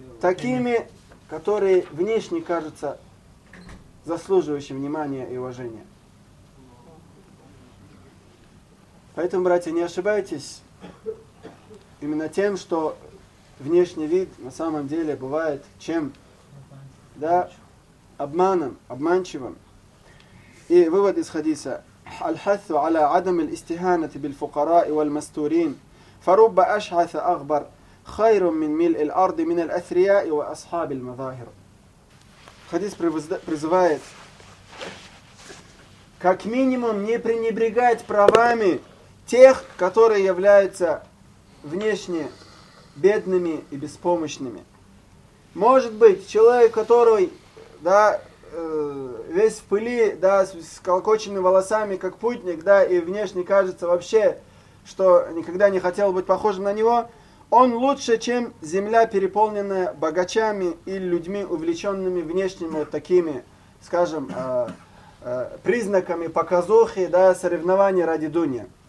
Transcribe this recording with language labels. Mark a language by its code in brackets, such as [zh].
[ru] такими, которые внешне кажутся заслуживающим внимания и уважения. Поэтому, братья, не ошибайтесь именно тем, что внешний вид на самом деле бывает чем? Да, обманом, обманчивым. [ar] И вывод из хадиса: الحث على عدم الاستهانة بالفقراء والمستورين فرب أشعث أغبر خير من ملء الأرض من الأثرياء وأصحاب المظاهر. [ru] Хадис призывает как минимум не пренебрегать правами тех, которые являются внешне бедными и беспомощными. Может быть, человек, который, да, весь в пыли, да, с колокоченными волосами, как путник, да, и внешне кажется вообще, что никогда не хотел быть похожим на него, он лучше, чем земля, переполненная богачами и людьми, увлеченными внешними вот такими, скажем, признаками показухи, да, соревнования ради дуни.